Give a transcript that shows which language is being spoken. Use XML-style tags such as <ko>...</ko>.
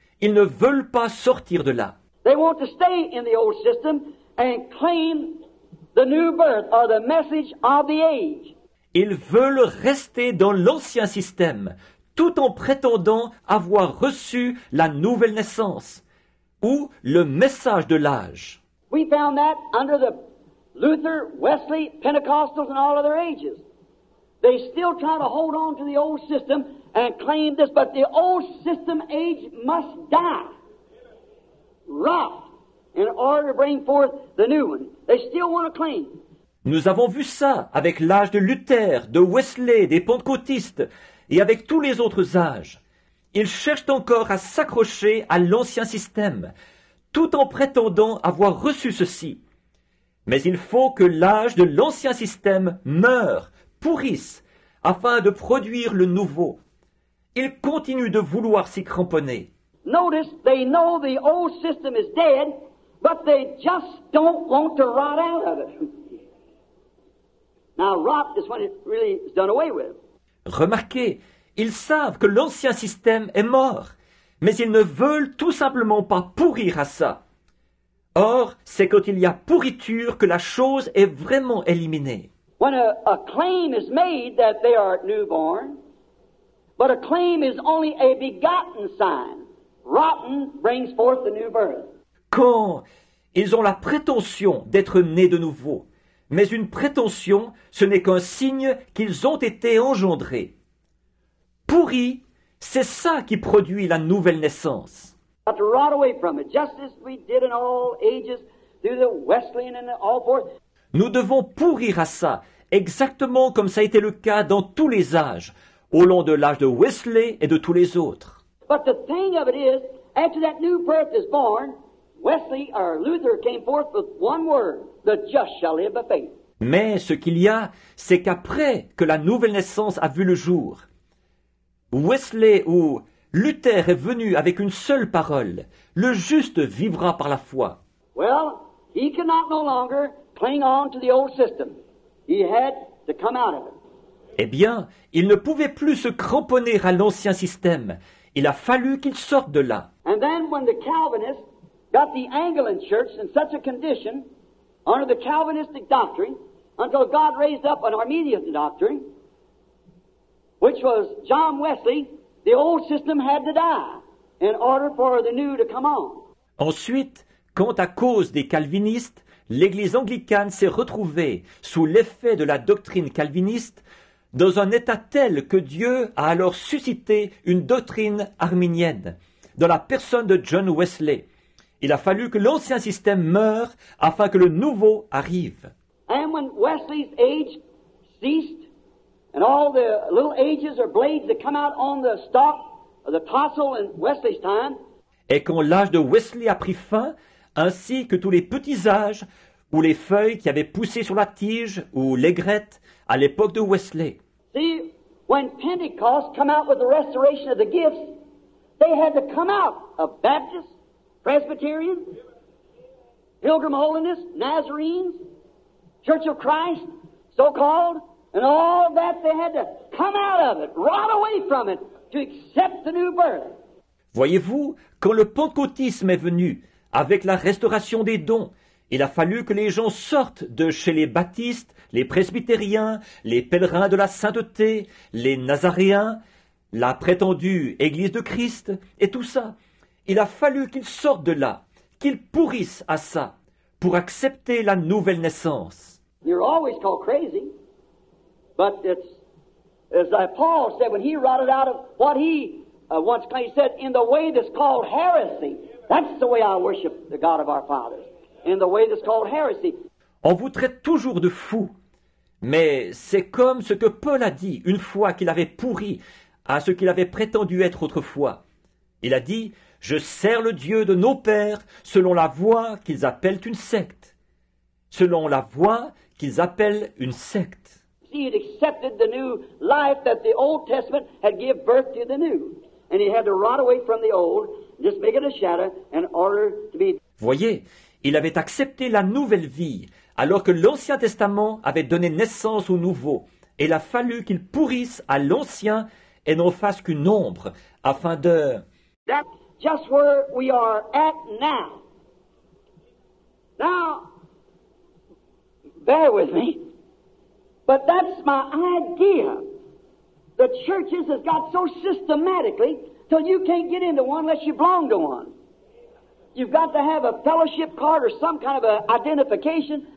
<fr>Ils ne veulent pas sortir de là.</fr> <en>They want to stay in the old system and claim the new birth or the message of the age.</en> <fr>Ils veulent rester dans l'ancien système tout en prétendant avoir reçu la nouvelle naissance ou le message de l'âge.</fr> <en>We found that under the Luther, Wesley, Pentecostals, and all other ages. They still try to hold on to the old system and claim this, but the old system age must die, rot, in order to bring forth the new one. They still want to claim.</en> <fr>Nous avons vu ça avec l'âge de Luther, de Wesley, des Pentecôtistes, et avec tous les autres âges. Ils cherchent encore à s'accrocher à l'ancien système, tout en prétendant avoir reçu ceci. Mais il faut que l'âge de l'ancien système meure, pourrisse, afin de produire le nouveau. Ils continuent de vouloir s'y cramponner.</fr> <en>Notice, they know the old system is dead, But they just don't want to rot out of it. Now, rot is when it really is done away with.</en> <fr>Remarquez, ils savent que l'ancien système est mort, mais ils ne veulent tout simplement pas pourrir à ça. Or, c'est quand il y a pourriture que la chose est vraiment éliminée.</fr> <en>When a claim is made that they are newborn, but a claim is only a begotten sign, rotten brings forth the new birth.</en> <fr>Quand ils ont la prétention d'être nés de nouveau, mais une prétention, ce n'est qu'un signe qu'ils ont été engendrés. Pourri, c'est ça qui produit la nouvelle naissance.</fr> <en>But to rot away from it, just as we did in all ages through the Wesleyan and all forth.</en> <fr>Nous devons pourrir à ça, exactement comme ça a été le cas dans tous les âges, au long de l'âge de Wesley et de tous les autres.</fr> <en>But the thing of it is, after that new birth is born, Wesley or Luther came forth with one word: "The just shall live by faith."</en> <fr>Mais ce qu'il y a, c'est qu'après que la nouvelle naissance a vu le jour, Wesley ou Luther est venu avec une seule parole: le juste vivra par la foi.</fr> <en>Well, he cannot no longer cling on to the old system. He had to come out of it.</en> <fr>Eh bien, il ne pouvait plus se cramponner à l'ancien système. Il a fallu qu'il sorte de là.</fr> <en>And then when the Calvinists got the Anglican church in such a condition under the Calvinistic doctrine until God raised up an Arminian doctrine, which was John Wesley, the old system had to die in order for the new to come on.</en> <fr>Ensuite, quand à cause des calvinistes, l'église anglicane s'est retrouvée sous l'effet de la doctrine calviniste dans un état tel que Dieu a alors suscité une doctrine arminienne dans la personne de John Wesley. Il a fallu que l'ancien système meure afin que le nouveau arrive.</fr> <en>And when Wesley's age ceased, and all the little ages or blades that come out on the stalk of the tassel in Wesley's time.</en> <fr>Et quand l'âge de Wesley a pris fin, ainsi que tous les petits âges ou les feuilles qui avaient poussé sur la tige ou l'aigrette à l'époque de Wesley.</fr> <en>See, when Pentecost came out with the restoration of the gifts, they had to come out of Baptists, Presbyterians, Pilgrim Holiness, Nazarenes, Church of Christ, so-called, and all that, they had to come out of it, rot away from it, to accept the new birth.</en> <fr>Voyez-vous, quand le pentecôtisme est venu, avec la restauration des dons, il a fallu que les gens sortent de chez les baptistes, les presbytériens, les pèlerins de la sainteté, les nazaréens, la prétendue église de Christ, et tout ça. Il a fallu qu'ils sortent de là, qu'ils pourrissent à ça, pour accepter la nouvelle naissance.</fr> <en>You're always called crazy, but it's, as Paul said when he rotted out of what he once claimed, he said, in the way that's called heresy. That's the way I worship the God of our fathers, in the way that's called heresy.</en> <fr>On vous traite toujours de fou, mais c'est comme ce que Paul a dit une fois qu'il avait pourri à ce qu'il avait prétendu être autrefois. Il a dit: je sers le Dieu de nos pères selon la voie qu'ils appellent une secte. Selon la voie qu'ils appellent une secte.</fr> <en>He had accepted the new life that the Old Testament had given birth to the new. And he had to rot away from the old, just make it a shadow, in order to be...</en> <fr>Voyez, il avait accepté la nouvelle vie, alors que l'Ancien Testament avait donné naissance au nouveau. Et il a fallu qu'il pourrisse à l'ancien et n'en fasse qu'une ombre, afin de...</fr> <en>That... Just where we are at now. Now, bear with me, but that's my idea. The churches has got so systematically till you can't get into one unless you belong to one. You've got to have a fellowship card or some kind of a identification.</en>